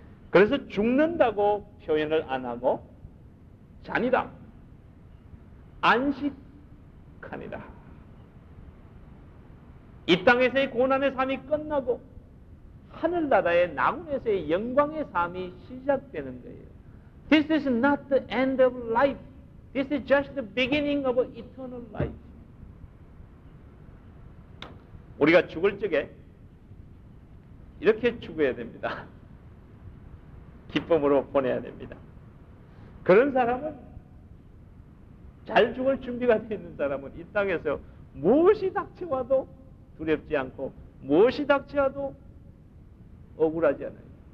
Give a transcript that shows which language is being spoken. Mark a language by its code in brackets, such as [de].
[ko] 그래서 죽는다고 표현을 안 하고 잔이다, 안식하니라. 이 땅에서의 고난의 삶이 끝나고 하늘나라의 낙원에서의 영광의 삶이 시작되는 거예요. [en] This is not the end of life. This is just the beginning of eternal life. [ko] 우리가 죽을 적에 이렇게 죽어야 됩니다. 기쁨으로 보내야 됩니다. 그런 사람은 잘 죽을 준비가 되어 있는 사람은 이 땅에서 무엇이 닥쳐와도 두렵지 않고 무엇이 닥쳐와도 억울하지 않아요.